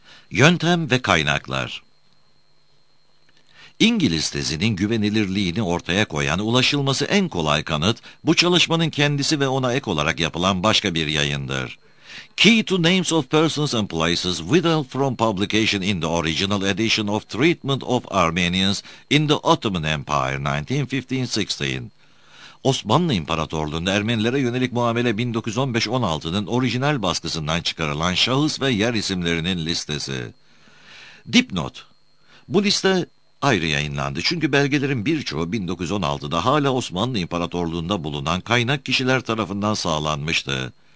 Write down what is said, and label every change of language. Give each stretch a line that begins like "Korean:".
Turkish: Yöntem ve kaynaklar. İngiliz tezinin güvenilirliğini ortaya koyan ulaşılması en kolay kanıt, bu çalışmanın kendisi ve ona ek olarak yapılan başka bir yayındır.
English: Key to Names of Persons and Places Withheld from Publication in the Original Edition of Treatment of Armenians in the Ottoman Empire 1915-16.
Turkish: Osmanlı İmparatorluğu'nda Ermenilere yönelik muamele 1915-16'nın orijinal baskısından çıkarılan şahıs ve yer isimlerinin listesi. Dipnot. Bu liste ayrı yayınlandı çünkü belgelerin birçoğu 1916'da hala Osmanlı İmparatorluğu'nda bulunan kaynak kişiler tarafından sağlanmıştı.